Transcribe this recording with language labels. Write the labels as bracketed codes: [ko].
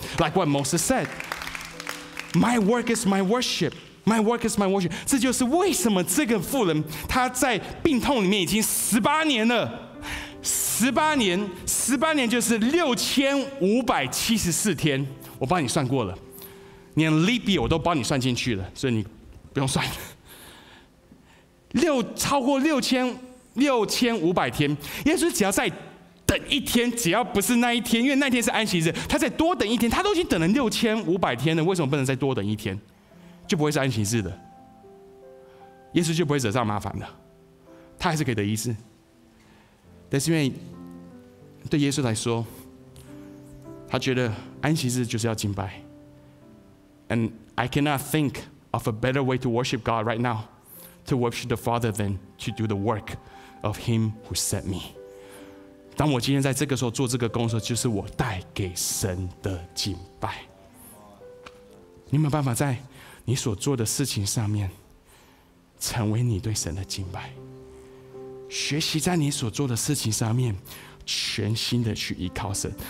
[en] Like what Moses said, "My work is my worship." My work is my worship. [zh] 这就是为什么这个妇人她在病痛里面已经十八年了。十八年就是6574天。我帮你算过了，连 leap year 我都帮你算进去了，所以你不用算。超过六千五百天，耶稣只要在等一天，只要不是那一天，因为那天是安息日，他再多等一天，他都已经等了6500天了，为什么不能再多等一天？就不会是安息日的，耶稣就不会惹上麻烦的，他还是可以得医治。但是因为对耶稣来说，他觉得安息日就是要敬拜。 [en] And I cannot think of a better way to worship God right now, to worship the Father than to do the work of Him who sent me. [zh] 当我今天在这个时候做这个工作，就是我带给神的敬拜。你有没有办法在你所做的事情上面成为你对神的敬拜？学习在你所做的事情上面全心的去依靠神。